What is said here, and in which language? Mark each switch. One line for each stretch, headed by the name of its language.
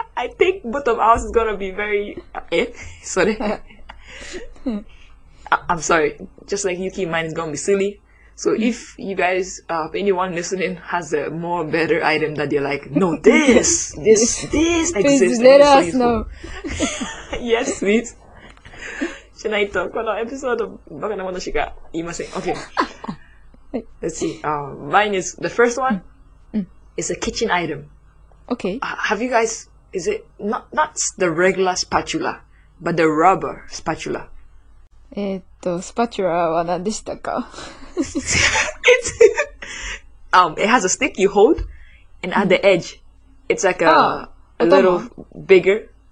English: I think both of ours is gonna be very... Sorry. I'm sorry. Just like Yuki, mine is gonna be silly. So if you guys, anyone listening has a more better item that you're like, no, this exists. Please let us know. Yes, please.
Japanese: しないとこのエピソードバカなものしか言いません。
English: Okay. Let's see. Mine is, the first one is a kitchen item. Okay. Have you guys, is it not the regular spatula, but the rubber spatula?
Japanese: Spatula は何でしたか?
English: It has a stick you hold, and at the edge, it's like a little bigger.